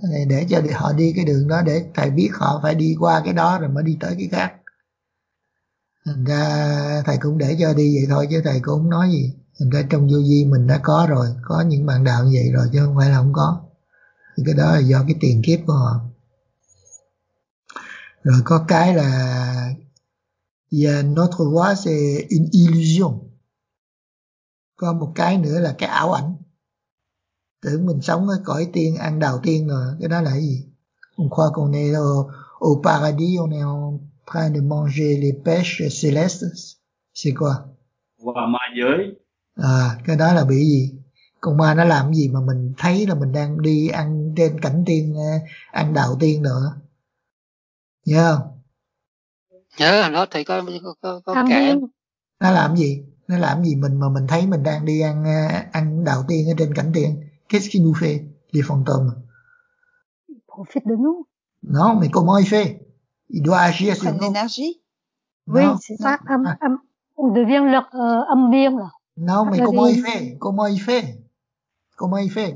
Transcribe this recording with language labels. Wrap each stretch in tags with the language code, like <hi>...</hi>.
<vi>Thầy để cho họ đi cái đường đó để thầy biết họ phải đi qua cái đó rồi mới đi tới cái khác. Thành ra thầy cũng để cho đi vậy thôi chứ thầy cũng không nói gì. Thành ra trong vô vi mình đã có rồi, có những bạn đạo như vậy rồi chứ không phải là không có. Thì cái đó là do cái tiền kiếp của họ. Rồi có cái là</vi> <fr>notre voix c'est une illusion.</fr> <vi>Có một cái nữa là cái ảo ảnh. Tưởng mình sống ở cõi tiên, ăn đào tiên rồi. Cái đó là cái gì?</vi> <fr>On croit qu'on est au paradis, on est en train de manger les pêches célestes. C'est quoi?</fr> <vi>Quả ma giới. À, cái đó là bị gì? Con ma nó làm gì mà mình thấy là mình đang đi ăn trên cảnh tiên, ăn đào tiên nữa. Nhớ không? Nhớ, nó thì có cả. Nó làm gì? Nó làm gì mình mà mình thấy mình đang đi ăn ăn đào tiên ở trên cảnh tiên?</vi> <fr>Qu'est-ce qui nous fait les fantômes? Il profite de nous. Non, mais comment il fait? Il doit agir sur nous. Comme l'énergie? Oui, c'est ça. On devient leur âme bien là. Non, mais comment il fait? Comment il fait? Comment il fait?</fr>